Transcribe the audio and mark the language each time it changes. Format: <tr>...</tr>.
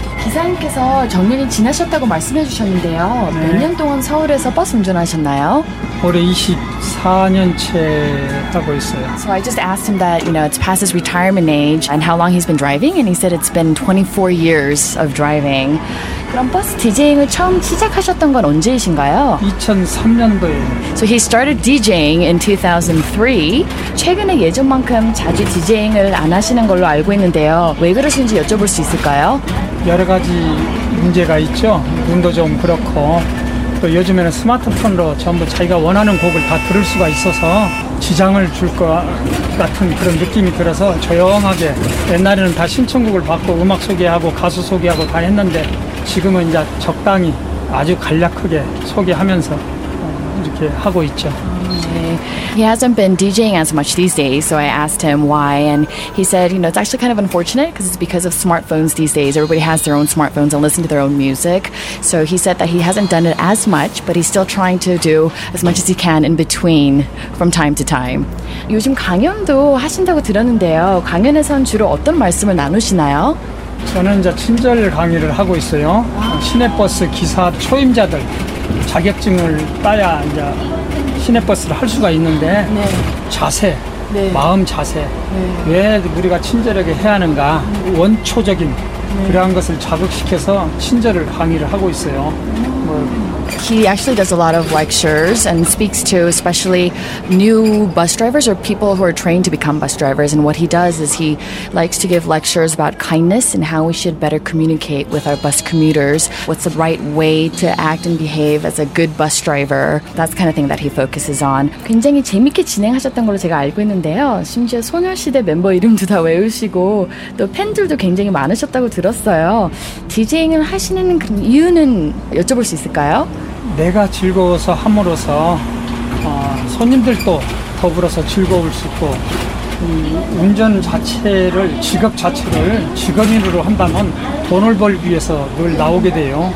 <ko>기사님께서 정년이 지나셨다고 말씀해 주셨는데요. 네. 몇 년 동안 서울에서 버스 운전하셨나요? 올해 24년째 하고 있어요.</ko> <en>So I just asked him that, you know, it's past his retirement age and how long he's been driving, and he said it's been 24 years of driving.</en> <ko>그럼 버스 DJing을 처음 시작하셨던 건 언제이신가요? 2003년도에.</ko> <en>So he started DJing in 2003.</en> <ko>최근에 예전만큼 자주 DJing을 안 하시는 걸로 알고 있는데요. 왜 그러신지 여쭤볼 수 있을까요? 여러 가지 문제가 있죠. 눈도 좀 그렇고 또 요즘에는 스마트폰으로 전부 자기가 원하는 곡을 다 들을 수가 있어서 지장을 줄 것 같은 그런 느낌이 들어서 조용하게 옛날에는 다 신청곡을 받고 음악 소개하고 가수 소개하고 다 했는데 지금은 이제 적당히 아주 간략하게 소개하면서 이렇게 하고 있죠.</ko> <en>He hasn't been DJing as much these days, so I asked him why, and he said, you know, it's actually kind of unfortunate because it's because of smartphones these days. Everybody has their own smartphones and listen to their own music. So he said that he hasn't done it as much, but he's still trying to do as much as he can in between from time to time.</en> <ko>요즘 강연도 하신다고 들었는데요. 강연에서는 주로 어떤 말씀을 나누시나요? 저는 이제 친절 강의를 하고 있어요. 시내버스 기사 초임자들 자격증을 따야 이제 시내버스를 할 수가 있는데 네. 자세, 네. 마음 자세 네. 왜 우리가 친절하게 해야 하는가 원초적인 네. 그러한 것을 자극시켜서 친절을 강의를 하고 있어요.</ko> <en>He actually does a lot of lectures and speaks to especially new bus drivers or people who are trained to become bus drivers. And what he does is he likes to give lectures about kindness and how we should better communicate with our bus commuters. What's the right way to act and behave as a good bus driver? That's the kind of thing that he focuses on.</en> <ko>굉장히 재밌게 진행하셨던 걸로 제가 알고 있는데요. 심지어 소녀시대 멤버 이름도 다 외우시고 또 팬들도 굉장히 많으셨다고 들었어요. DJing을 하시는 그런 이유는 여쭤볼 수 있을까요? 내가 즐거워서 함으로써 손님들도 더불어서 즐거울 수 있고 운전 자체를 직업 자체를 직업 일로 한다면 돈을 벌기 위해서 늘 나오게 돼요.</ko>